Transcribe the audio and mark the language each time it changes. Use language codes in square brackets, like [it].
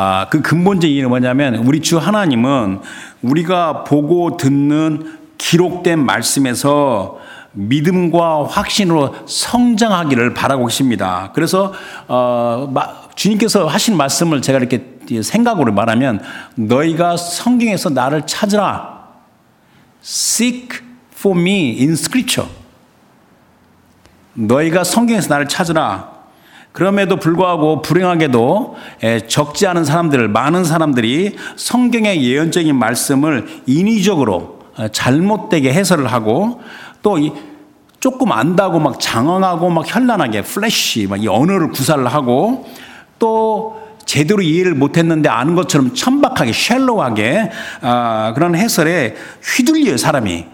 [ko] 그 근본적인 이유는 뭐냐면 우리 주 하나님은 우리가 보고 듣는 기록된 말씀에서 믿음과 확신으로 성장하기를 바라고 계십니다. 그래서 주님께서 하신 말씀을 제가 이렇게 생각으로 말하면 너희가 성경에서 나를 찾으라. [en] Seek for me in scripture. [ko] 너희가 성경에서 나를 찾으라. 그럼에도 불구하고 불행하게도 적지 않은 사람들, 많은 사람들이 성경의 예언적인 말씀을 인위적으로 잘못되게 해설을 하고 또 조금 안다고 막 장황하고 막 현란하게 플래시 막 이 언어를 구사를 하고 또 제대로 이해를 못했는데 아는 것처럼 천박하게 샬로우하게 그런 해설에 휘둘려요 사람이.